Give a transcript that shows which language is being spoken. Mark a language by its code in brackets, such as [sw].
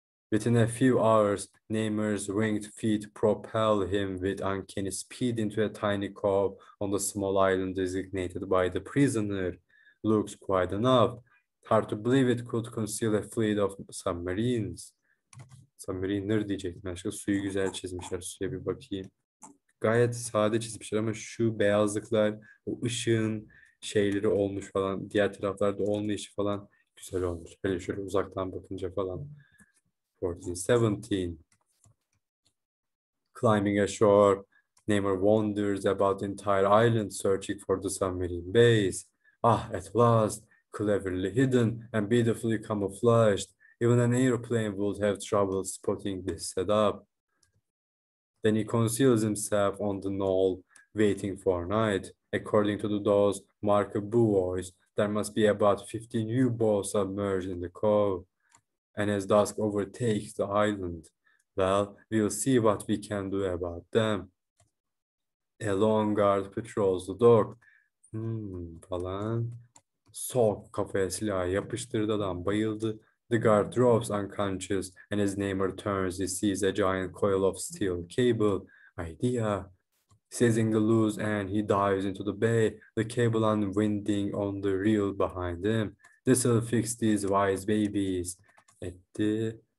[en] Within a few hours, Namor's winged feet propel him with uncanny speed into a tiny cove on the small island designated by the prisoner. Looks quiet enough. Hard to believe it could conceal a fleet of submarines. [tr] Submarine'ler diyecektim. Aşkım, suyu güzel çizmişler. Suya bir bakayım. Gayet sade çizmişler ama şu beyazlıklar, o ışığın şeyleri olmuş falan. Diğer taraflarda olmayışı falan güzel olmuş. Hele şöyle uzaktan bakınca falan. 1417. [en] Climbing ashore, Namor wanders about entire island searching for the submarine base. Ah, at last. Cleverly hidden and beautifully camouflaged. Even an airplane would have trouble spotting this setup. Then he conceals himself on the knoll, waiting for night. According to those Mark buoys, there must be about 15 U-boats submerged in the cove. And as dusk overtakes the island, well, we'll see what we can do about them. A long guard patrols the dock. Falan. [tr] Sok kafaya silahı yapıştırdı adam bayıldı. [en] The guard drops unconscious and as Namor turns he sees a giant coil of steel cable. Idea. Seizing the loose end he dives into the bay, the cable unwinding on the reel behind him. This'll fix these wise babies. [tr] Etti.